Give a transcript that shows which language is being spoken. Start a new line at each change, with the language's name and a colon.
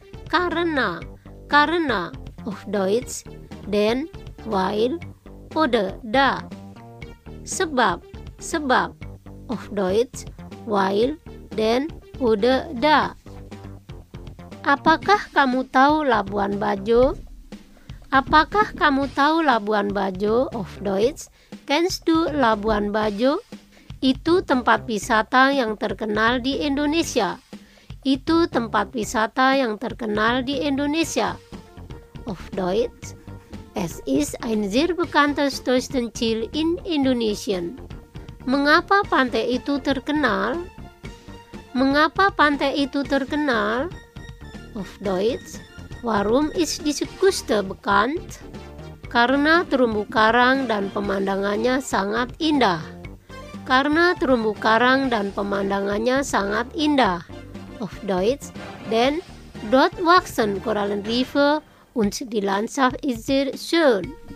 German: Karena, Karena auf Deutsch, den, weil oder da. Sebab, Sebab auf Deutsch, weil, den, oder da.
Indonesian: Apakah kamu tahu Labuan Bajo? Apakah kamu tahu Labuan Bajo
German: of Deutsch? Kennst du Labuan Bajo?
Indonesian: Itu tempat wisata yang terkenal di Indonesia. Itu tempat wisata yang terkenal di Indonesia.
German: Of Deutsch. Es ist ein sehr bekanntes Touristenziel in Indonesien.
Indonesian: Mengapa pantai itu terkenal? Mengapa pantai itu terkenal?
German: Auf Deutsch, warum ist diese Küste bekannt?
Indonesian: Karena terumbu karang dan pemandangannya sangat indah. Karena terumbu karang dan pemandangannya sangat indah.
German: Auf Deutsch, denn dort wachsen Korallenriffe und die Landschaft ist sehr schön.